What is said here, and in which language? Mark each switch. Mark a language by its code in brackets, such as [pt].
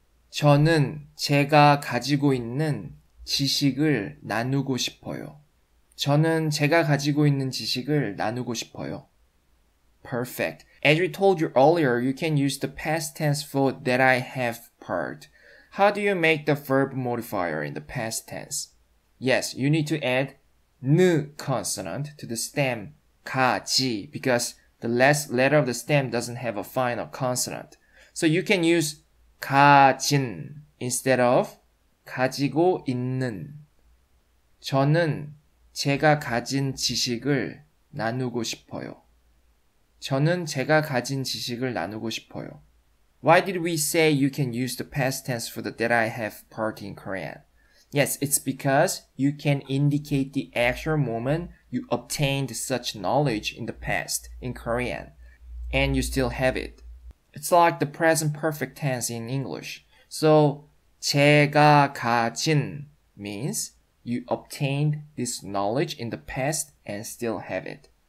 [ko] 저는 제가 가지고 있는 지식을 나누고 싶어요. 저는 제가 가지고 있는 지식을 나누고 싶어요. [en] Perfect. As we told you earlier, you can use the past tense for that I have part. How do you make the verb modifier in the past tense? Yes, you need to add 느 consonant to the stem 가지 because the last letter of the stem doesn't have a final consonant. So you can use 가진 instead of [ko] 가지고 있는. 저는 제가 가진 지식을 나누고 싶어요. 저는 제가 가진 지식을 나누고 싶어요. [en] Why did we say you can use the past tense for the that I have part in Korean? Yes, it's because you can indicate the actual moment you obtained such knowledge in the past in Korean, and you still have it. It's like the present perfect tense in English. So, [ko] 제가 가진 [en] means you obtained this knowledge in the past and still have it.